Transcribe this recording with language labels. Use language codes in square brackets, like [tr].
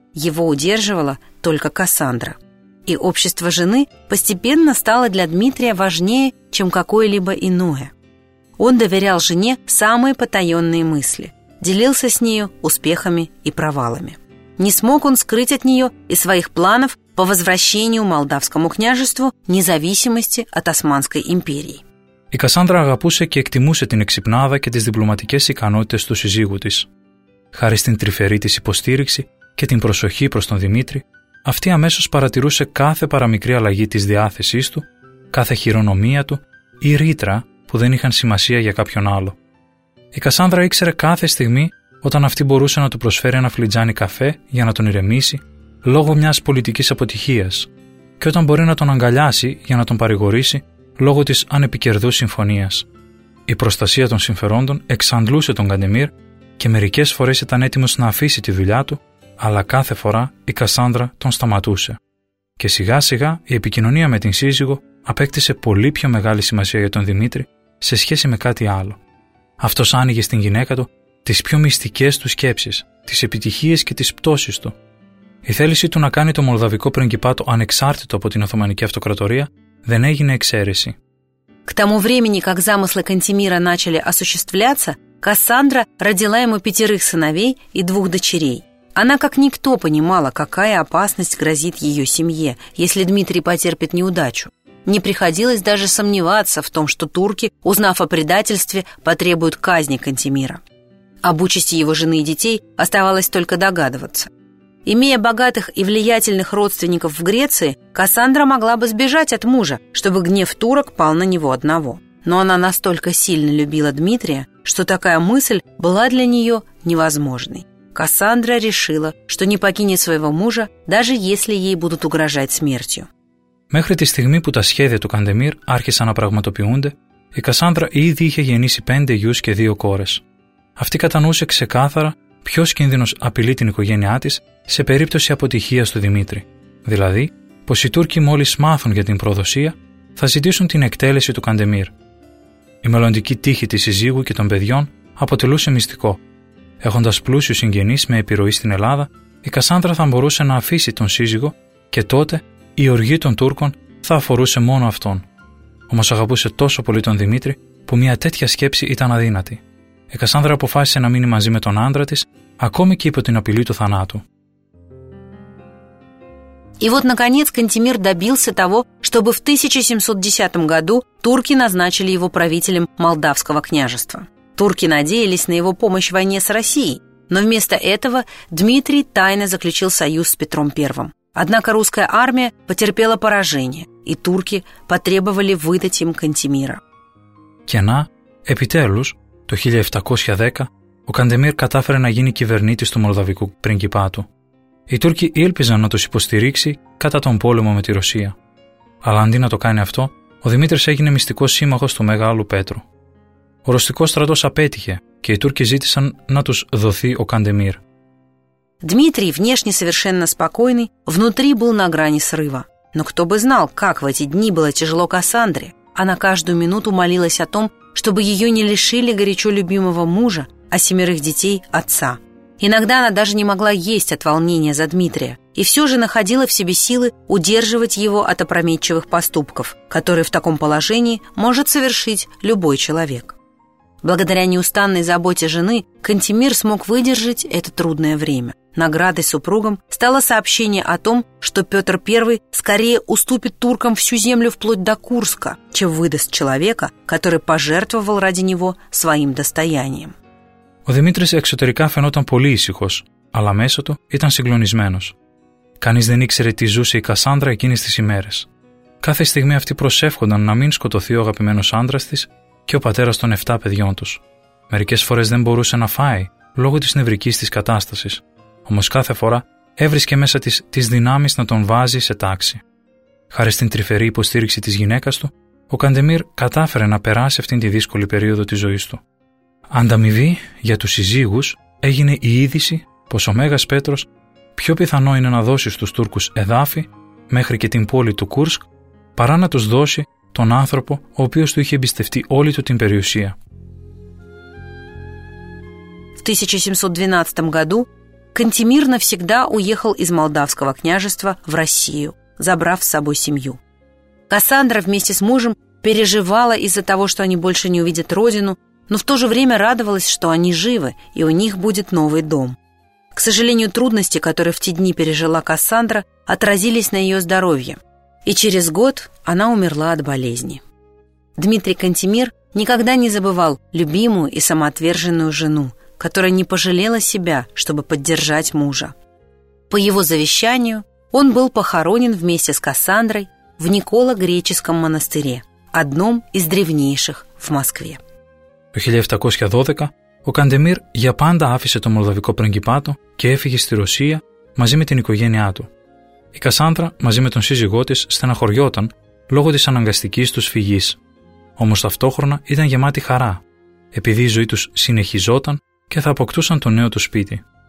[ru] Его удерживала только Кассандра. И общество жены постепенно стало для Дмитрия важнее, чем какое-либо иное. Он доверял жене самые потаенные мысли, делился с нею успехами и провалами. Не смог он скрыть от нее и своих планов по возвращению молдавскому княжеству независимости от Османской империи. [el] Η Κασάνδρα αγαπούσε και εκτιμούσε την εξυπνάδα και τις διπλωματικές ικανότητες του συζύγου της. Χάρη στην τρυφερή της υποστήριξη και την προσοχή προς τον Δημήτρη, αυτή αμέσως παρατηρούσε κάθε παραμικρή αλλαγή της διάθεσής του, κάθε χειρονομία του ή ρήτρα που δεν είχαν σημασία για κάποιον άλλο. Η Κασάνδρα ήξερε κάθε στιγμή όταν αυτή μπορούσε να του προσφέρει ένα φλιτζάνι καφέ για να τον ηρεμήσει λόγω μιας πολιτικής αποτυχίας και όταν μπορεί να τον αγκαλιάσει για να τον παρηγορήσει λόγω της ανεπικερδούς συμφωνίας. Η προστασία των συμφερόντων εξαντλούσε τον Καντεμίρ και μερικές φορές ήταν έτοιμος να αφήσει τη δουλειά του, αλλά κάθε φορά η Κασάνδρα τον σταματούσε. Και σιγά σιγά η επικοινωνία με την σύζυγο απέκτησε πολύ πιο μεγάλη σημασία για τον Δημήτρη σε σχέση με κάτι άλλο. Αυτός άνοιγε στην γυναίκα του τις πιο μυστικές του σκέψεις, τις επιτυχίες και τις πτώσεις του. Η θέλησή του να κάνει το Μολδαβικό πριγκιπάτο ανεξάρτητο από την Οθωμανική Αυτοκρατορία δεν έγινε εξαίρεση. [ru] К тому времени, как замыслы Кантемира начали осуществляться, Кассандра родила ему 5 сыновей и 2 дочерей. Она как никто понимала, какая опасность грозит ее семье, если Дмитрий потерпит неудачу. Не приходилось даже сомневаться в том, что турки, узнав о предательстве, потребуют казни Кантемира. Об участи его жены и детей оставалось только догадываться. Имея богатых и влиятельных родственников в Греции, Кассандра могла бы сбежать от мужа, чтобы гнев турок пал на него одного. Но она настолько сильно любила Дмитрия, что такая мысль была для нее невозможной. Кассандра решила, что не покинет своего мужа, даже если ей будут угрожать смертью. [el] Μέχρι τη στιγμή που τα σχέδια του Καντεμίρ άρχισαν να πραγματοποιούνται, η Κασάνδρα ήδη είχε γεννήσει 5 γιους και 2 κόρες. Αυτή κατανοούσε ξεκάθαρα ποιος κίνδυνος απειλεί την οικογένειά της σε περίπτωση αποτυχίας του Δημήτρη. Δηλαδή, πως οι Τούρκοι μόλις μάθουν για την προδοσία, θα ζητήσουν την εκτέλεση του Καντεμίρ. Η μελλοντική τύχη της συζύγου και των παιδιών αποτελούσε μυστικό. Έχοντας πλούσιους συγγενείς με επιρροή στην Ελλάδα, η Κασάνδρα θα μπορούσε να αφήσει τον σύζυγο και τότε η οργή των Τούρκων θα αφορούσε μόνο αυτόν. Όμως αγαπούσε τόσο πολύ τον Δημήτρη που μια τέτοια σκέψη ήταν αδύνατη. Η Κασάνδρα αποφάσισε να μείνει μαζί με τον άντρα της, ακόμη και υπό την απειλή του θανάτου. [ru] И вот, наконец, Кантемир добился того, чтобы в 1710 году турки назначили его правителем Молдавского княжества. Турки надеялись на его помощь в войне с Россией, но вместо этого Дмитрий тайно заключил союз с Петром I. Однако русская армия потерпела поражение, и турки потребовали выдать им Кантемира. [el] Και на, επιτέλους, το 1710, ο Кантемир κατάφερε να γίνει κυβερνήτης του Μολδαβικού πριγκιπάτου. Οι Τούρκοι ήλπιζαν να τους υποστηρίξει κατά τον πόλεμο με τη Ρωσία. Αλλά αντί να το κάνει αυτό, ο Δημήτρης έγινε μυστικός σύμμαχος του Μεγάλου Πέτρου. Ο ρωσικός στρατός απέτυχε και οι Τούρκοι ζήτησαν να τους δοθεί ο Καντεμίρ. [ru] Дмитрий внешне совершенно спокойный, внутри был на грани срыва. Но кто бы знал, как в эти дни было тяжело Кассандре. Она каждую минуту молилась о том, чтобы ее не лишили горячо любимого мужа, а семерых детей – отца. Иногда она даже не могла есть от волнения за Дмитрия и все же находила в себе силы удерживать его от опрометчивых поступков, которые в таком положении может совершить любой человек. Благодаря неустанной заботе жены, Кантемир смог выдержать это трудное время. Наградой супругам стало сообщение о том, что Петр I скорее уступит туркам всю землю вплоть до Курска, чем выдаст человека, который пожертвовал ради него своим достоянием. [el] Ο Δημήτρης εξωτερικά φαινόταν πολύ ήσυχος, αλλά μέσα του ήταν συγκλονισμένος. Κανείς δεν ήξερε τι ζούσε η Κασάνδρα εκείνες τις ημέρες. Κάθε στιγμή αυτοί προσεύχονταν να μην σκοτωθεί ο αγαπημένος άντρας της και ο πατέρας των 7 παιδιών τους. Μερικές φορές δεν μπορούσε να φάει λόγω της νευρικής της κατάστασης. Όμως κάθε φορά έβρισκε μέσα της τις δυνάμεις να τον βάζει σε τάξη. Χάρη στην τρυφερή υποστήριξη της γυναίκας του, ο Καντεμίρ κατάφερε να περάσει αυτήν τη δύσκολη περίοδο της ζωής του. Ανταμοιβή για τους συζύγους έγινε η είδηση πως ο Μέγας Πέτρος πιο πιθανό είναι να δώσει στους Τούρκους εδάφη μέχρι και την πόλη του Κούρσκ παρά να τους δώσει τον άνθρωπο ο οποίος του είχε εμπιστευτεί όλη του την περιουσία. [ru] В 1712 году Кантемир навсегда уехал из Молдавского княжества в Россию, забрав с собой семью. Кассандра вместе с мужем переживала из-за того, что они больше не увидят родину, но в то же время радовалась, что они живы, и у них будет новый дом. К сожалению, трудности, которые в те дни пережила Кассандра, отразились на ее здоровье. И через год она умерла от болезни. Дмитрий Кантемир никогда не забывал любимую и самоотверженную жену, которая не пожалела себя, чтобы поддержать мужа. По его завещанию он был похоронен вместе с Кассандрой в Николо-Греческом монастыре, одном из древнейших в Москве. [el] Το 1712 ο Καντεμίρ για πάντα άφησε το Μολδαβικό πριγκιπάτο και έφυγε στη Ρωσία μαζί με την οικογένειά του. Η Κασάνδρα μαζί με τον σύζυγό της στεναχωριόταν λόγω της αναγκαστικής τους φυγής. Όμως ταυτόχρονα ήταν γεμάτη χαρά, επειδή η ζωή τους συνεχιζόταν και θα αποκτούσαν το νέο του σπίτι.